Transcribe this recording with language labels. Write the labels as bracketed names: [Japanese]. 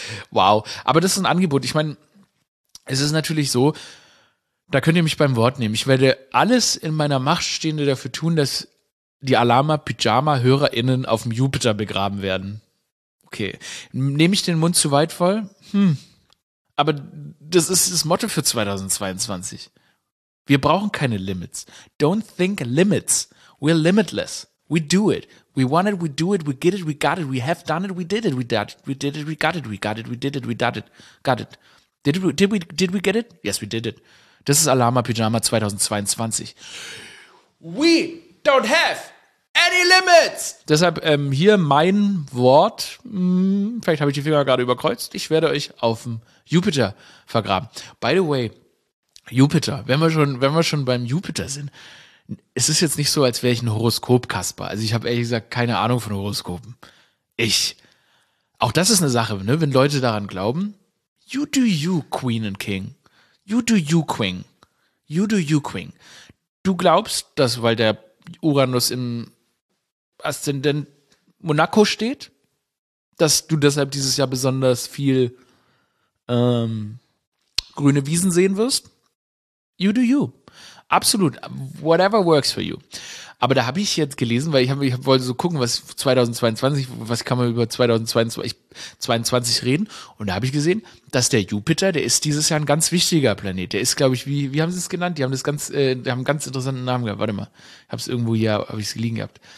[German] Wow. Aber das ist ein Angebot. Ich meine, es ist natürlich so, da könnt ihr mich beim Wort nehmen. Ich werde alles in meiner Macht Stehende dafür tun, dass die Alama-Pyjama-HörerInnen auf dem Jupiter begraben werden. Okay. Nehme ich den Mund zu weit voll? Aber das ist das Motto für 2022. Wir brauchen keine Limits. [English] Don't think limits. We're limitless. We do it. We want it, we do it, we get it, we got it, we have done it, we did it, we did it, we did it, we got it, we got it, we did it, we got it, got it. Did we get it? Yes, we did it. [German] Das ist Alama Pyjama 2022. [English] We don't have any limits! [German] Deshalb hier mein Wort. Vielleicht habe ich die Finger gerade überkreuzt. Ich werde euch auf dem Jupiter vergraben. [English] By the way, [German] Jupiter, wenn wir schon beim Jupiter sind, es ist jetzt nicht so, als wäre ich ein Horoskop-Kasper. Also ich habe ehrlich gesagt keine Ahnung von Horoskopen. Auch das ist eine Sache, ne? Wenn Leute daran glauben. [English] You do you, Queen and King. You do you, Queen. You do you, Queen. [German] Du glaubst, dass, weil der Uranus im Aszendent Monaco steht, dass du deshalb dieses Jahr besonders viel grüne Wiesen sehen wirst? [English] You do you. Absolut, whatever works for you. [German] Aber da habe ich jetzt gelesen, weil ich wollte so gucken, was 2022, was kann man über 2022 reden? Und da habe ich gesehen, dass der Jupiter, der ist dieses Jahr ein ganz wichtiger Planet. Der ist, glaube ich, wie haben sie es genannt? Die haben das ganz, die haben einen ganz interessanten Namen gehabt. Warte mal, ich habe es irgendwo hier, habe ich es liegen gehabt.